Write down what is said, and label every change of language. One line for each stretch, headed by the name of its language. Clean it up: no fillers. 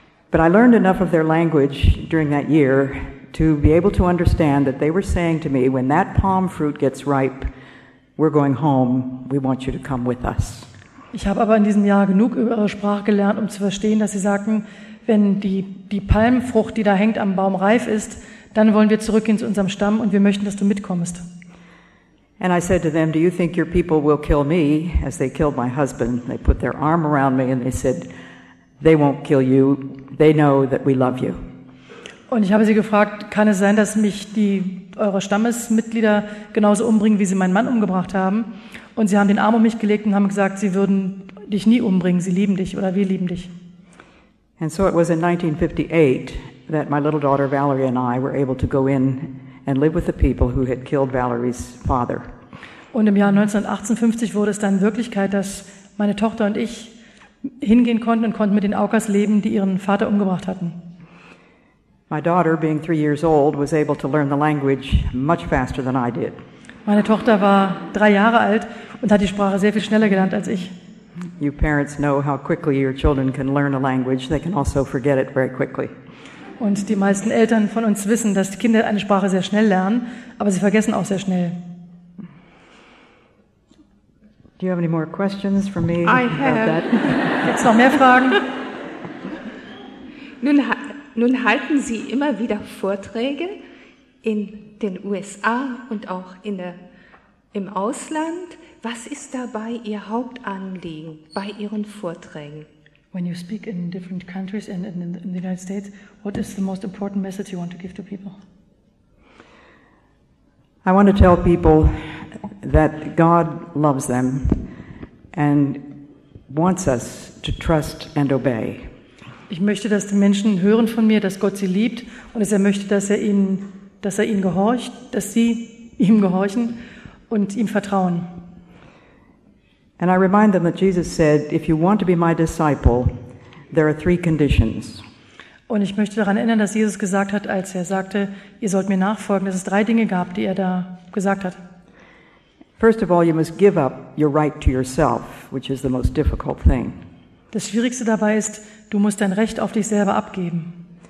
English: But I learned enough of their language during that year to be able to understand that they were saying to me, when that palm fruit gets ripe, we're going home, we want you to come with us.
German: Ich habe aber in diesem Jahr genug über ihre Sprache gelernt, um zu verstehen, dass sie sagten, wenn die Palmfrucht, die da hängt am Baum, reif ist, dann wollen wir zurückgehen zu unserem Stamm und wir möchten, dass du mitkommst.
English: And I said to them, do you think your people will kill me as they killed my husband? They put their arm around me and they said, they won't kill you, they know that we love you.
German: Und ich habe sie gefragt, kann es sein, dass mich die eure Stammesmitglieder genauso umbringen, wie sie meinen Mann umgebracht haben? Und sie haben den Arm um mich gelegt und haben gesagt, sie würden dich nie umbringen, sie lieben dich oder wir lieben dich.
English: And so it was in 1958 that my little daughter Valerie and I were able to go in and live with the people who had killed Valerie's father.
German: Und im Jahr 1958 wurde es dann Wirklichkeit, dass meine Tochter und ich hingehen konnten und konnten mit den Aukas leben, die ihren Vater umgebracht hatten.
English: My daughter, being 3 years old, was able to learn the language much faster than I did.
German: Meine Tochter war 3 Jahre alt und hat die Sprache sehr viel schneller gelernt als ich.
English: You parents know how quickly your children can learn a language. They can also forget it very quickly.
German: Und die meisten Eltern von uns wissen, dass die Kinder eine Sprache sehr schnell lernen, aber sie vergessen auch sehr schnell.
English: Do you have any more questions for me? I have. About that?
German: Gibt's noch mehr Fragen? Nun halten Sie immer wieder Vorträge in den USA und auch im Ausland. Was ist dabei Ihr Hauptanliegen bei Ihren Vorträgen?
English: When you speak in different countries and in the United States, what is the most important message you want to give to people? I want to tell people that God loves them and wants us to trust and obey.
German: Ich möchte, dass die Menschen hören von mir, dass Gott sie liebt und dass er möchte, dass er ihnen gehorcht, dass sie ihm gehorchen und ihm vertrauen.
English: And I remind them that Jesus said, if you want to be my disciple, there are three conditions.
German: Und ich möchte daran erinnern, dass Jesus gesagt hat, als er sagte, ihr sollt mir nachfolgen, dass es drei Dinge gab, die er da gesagt hat.
English: First of all, you must give up your right to yourself, which is the most difficult thing.
German: Das Schwierigste dabei ist, du musst dein Recht auf dich selber abgeben.